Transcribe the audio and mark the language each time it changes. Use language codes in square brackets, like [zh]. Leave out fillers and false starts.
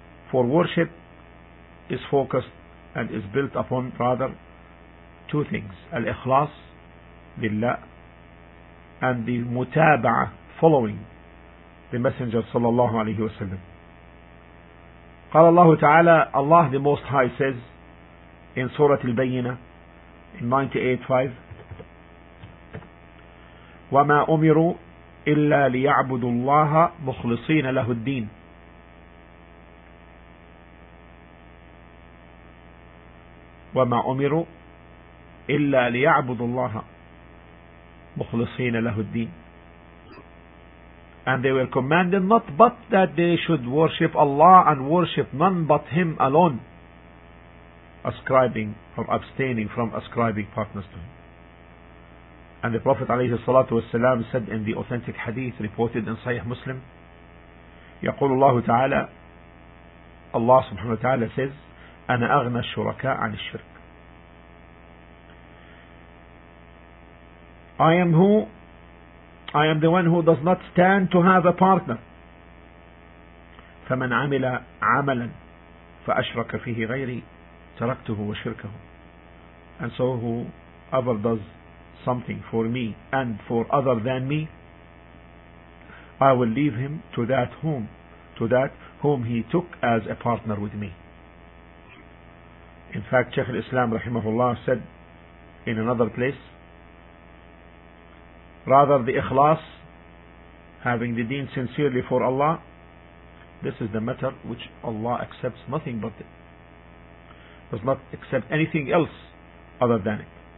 [en] For worship is focused and is built upon rather two things: al-ikhlas lillah and the mutaba'ah, following the Messenger sallallahu alayhi wasallam. [ar] قال الله تعالى, [en] Allah the Most High says in Surah Al-Bayyinah in 98:5, [ar] وَمَا أُمِرُوا إِلَّا لِيَعْبُدُوا اللَّهَ مُخْلِصِينَ لَهُ الدِّينَ وَمَا أُمِرُوا إِلَّا لِيَعْبُدُوا اللَّهَ مُخْلِصِينَ لَهُ الدِّينَ. [en] And they were commanded not but that they should worship Allah and worship none but Him alone, ascribing or abstaining from ascribing partners to Him. And the Prophet [ar] عليه الصلاة والسلام [en] said in the authentic hadith reported in Sahih Muslim, [ar] يقول الله تعالى, [en] Allah subhanahu wa ta'ala says, [ar] أنا أغنى الشركاء عن الشرك. [en] I am the one who does not stand to have a partner. [ar] فمن عمل عملا فأشرك فيه غيري تركته وشركه. [en] And so whoever does something for me and for other than me, I will leave him to that whom he took as a partner with me. In fact, Shaykh al-Islam rahimahullah said in another place, rather the ikhlas, having the deen sincerely for Allah, this is the matter which Allah accepts nothing but it, does not accept anything else other than it.